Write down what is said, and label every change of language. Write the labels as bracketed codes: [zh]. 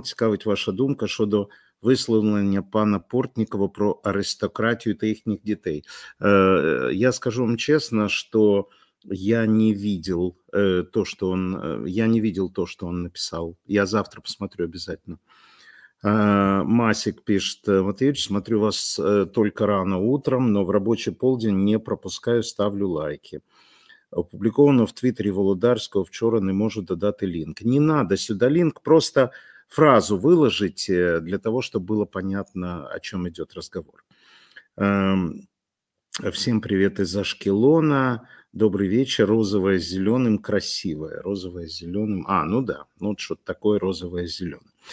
[uk] Цікавить ваша думка щодо висловлення пана Портнікова про аристократію та їхніх дітей. Я скажу вам чесно, що я не видел то, що он, я не видел то, що он написав. [ru] Я завтра посмотрю обязательно. Масик пишет: Матвеевич, смотрю вас только рано утром, но в рабочий полдень не пропускаю, ставлю лайки. [uk] Опубликовано в Твиттере Володарського вчора, не можу додати лінк. [ru] Не надо сюда лінк, просто фразу выложите для того, чтобы было понятно, о чем идет разговор. Всем привет из Ашкелона. Добрый вечер. Розовое с зеленым красивое. Розовое с зеленым. А, ну да, ну вот что-то такое розовое с зеленым.